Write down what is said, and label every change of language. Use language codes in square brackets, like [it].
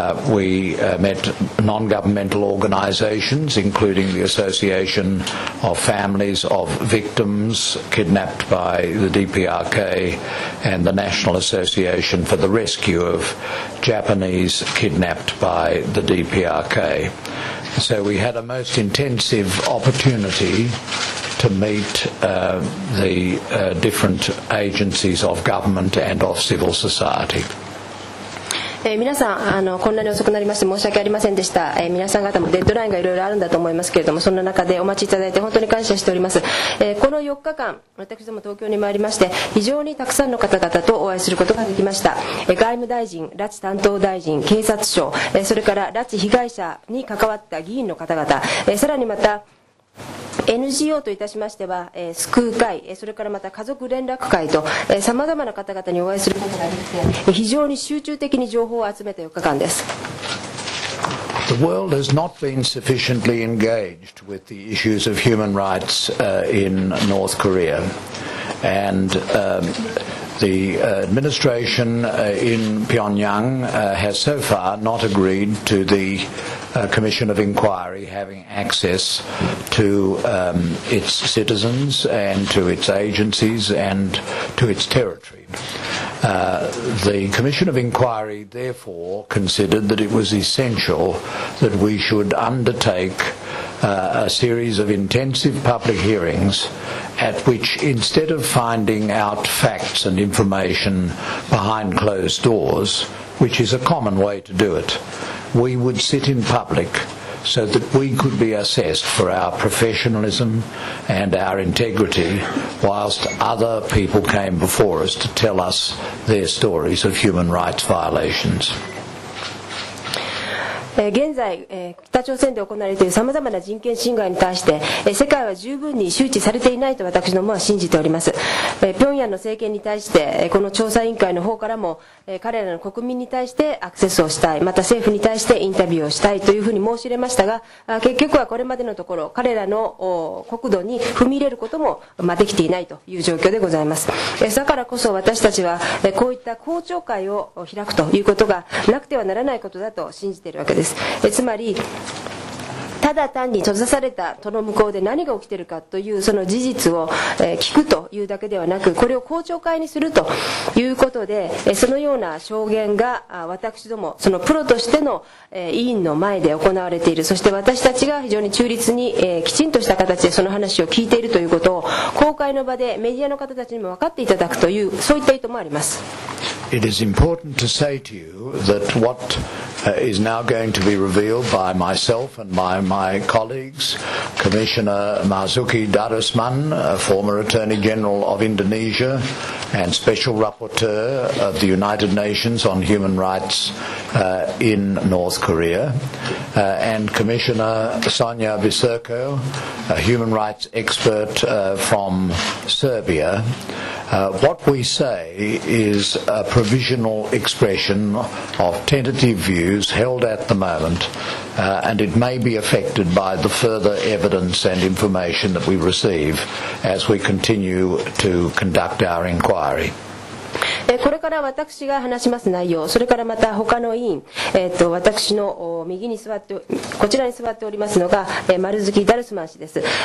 [en] We met non-governmental organisations, including the Association of Families of Victims Kidnapped by the DPRK and the National Association for the Rescue of Japanese Kidnapped by the DPRK. So we had a most intensive opportunity to meet the different agencies of government and of civil society. [ja] 皆さん、こんなに遅くなりまして申し訳ありませんでした。皆さん方もデッドラインがいろいろあるんだと思いますけれども、そんな中でお待ちいただいて本当に感謝しております。この4日間私ども東京に参りまして、非常にたくさんの方々とお会いすることができました。外務大臣、拉致担当大臣、警察署、それから拉致被害者に関わった議員の方々、さらにまたNGO といたしましては、救う会、それからまた家族連絡会と、さまざまな方々にお会いすることができて、非常に集中的に情報を集めた4日間です。 [en] The world has not been sufficiently engaged with the issues of human rights in North Korea. And the administration in Pyongyang has so far not agreed to the Commission of Inquiry having access to its citizens and to its agencies and to its territory. The Commission of Inquiry therefore considered that it was essential that we should undertake a series of intensive public hearings at which, instead of finding out facts and information behind closed doors, which is a common way to do it, we would sit in public so that we could be assessed for our professionalism and our integrity whilst other people came before us to tell us their stories of human rights violations. [ja] 現在北朝鮮で行われているさまざまな人権侵害に対して世界は十分に周知されていないと私どもは信じております。平壌の政権に対してこの調査委員会の方からも彼らの国民に対してアクセスをしたい、また政府に対してインタビューをしたいというふうに申し入れましたが、結局はこれまでのところ彼らの国土に踏み入れることもできていないという状況でございます。だからこそ私たちはこういった公聴会を開くということがなくてはならないことだと信じているわけです。つまりただ単に閉ざされた戸の向こうで何が起きているかというその事実を聞くというだけではなく、これを公聴会にするということで、そのような証言が私どもそのプロとしての委員の前で行われている、そして私たちが非常に中立にきちんとした形でその話を聞いているということを公開の場でメディアの方たちにも分かっていただくという、そういった意図もあります。 [en] It is important to say to you that what is now going to be revealed by myself and by my colleagues, Commissioner Marzuki Darusman, a former Attorney General of Indonesia and Special Rapporteur of the United Nations on Human Rights in North Korea, and Commissioner Sonia Biserko, a human rights expert from Serbia, what we say is a provisional expression of tentative views held at the moment, and it may be affected by the further evidence and information that we receive as we continue to conduct our inquiry. [ja] これから私が話します内容、それからまた他の委員、私の右に座って、こちらに座っておりますのが、丸月ダルスマン氏です。